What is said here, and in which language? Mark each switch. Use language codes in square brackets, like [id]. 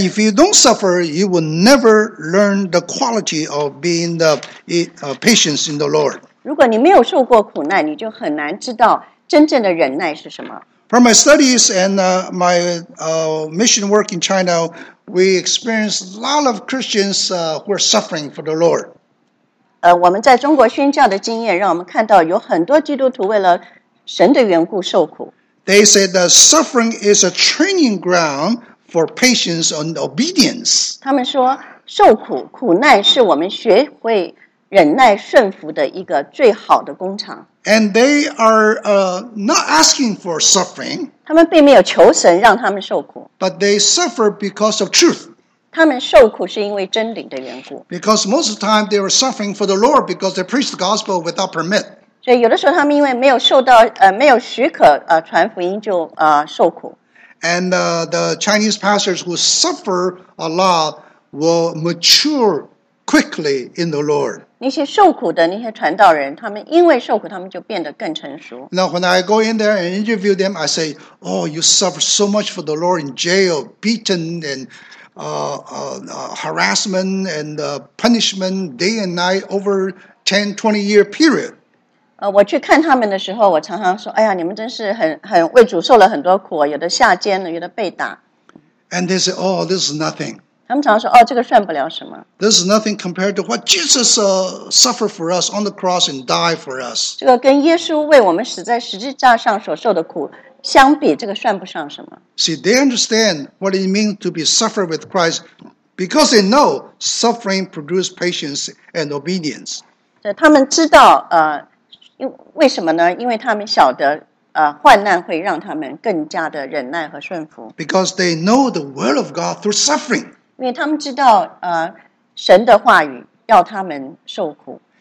[en] if you don't suffer, you will never learn the quality of being the patience in the Lord. [zh] 如果你没有受过苦难，你就很难知道真正的忍耐是什么。 [en] From my studies and my mission work in China, we experienced a lot of Christians who are suffering for the Lord. [zh] 我们在中国宣教的经验让我们看到有很多基督徒为了神的缘故受苦。 [en] They say that suffering is a training ground for patience and obedience. [zh] 他们说受苦苦难是我们学会忍耐顺服的一个最好的工厂。 [en] And they are not asking for suffering. [zh] 他们并没有求神让他们受苦。 [en] But they suffer because of truth. [zh] 他们受苦是因为真理的缘故。 [en] Because most of the time they were suffering for the Lord because they preached the gospel without permit. [zh] 所以有的时候他们因为没有受到没有许可传福音就受苦。 [en] And the Chinese pastors who suffer a lot will mature quickly in the Lord. [zh] 那些受苦的那些传道人，他们因为受苦，他们就变得更成熟。 [en] Now when I go in there and interview them, I say, "Oh, you suffer so much for the Lord in jail, beaten and harassment and punishment day and night over 10-20 year period." [zh] 我去看他们的时候，我常常说，哎呀，你们真是很为主受了很多苦，有的下监了，有的被打。 [en] And they say, "Oh, this is nothing." [zh] 他们常说，哦，这个算不了什么。 [en] This is nothing compared to what Jesus suffered for us on the cross and died for us. [zh] 这个跟耶稣为我们死在十字架上所受的苦相比，这个算不上什么。 [en] See, they understand what it means to be suffered with Christ because they know suffering produces patience and obedience. [zh] 他们知道，为什么呢？因为他们晓得，患难会让他们更加的忍耐和顺服。 [en] Because they know the will of God through suffering. [zh] 因为他们知道神的话语要他们受苦。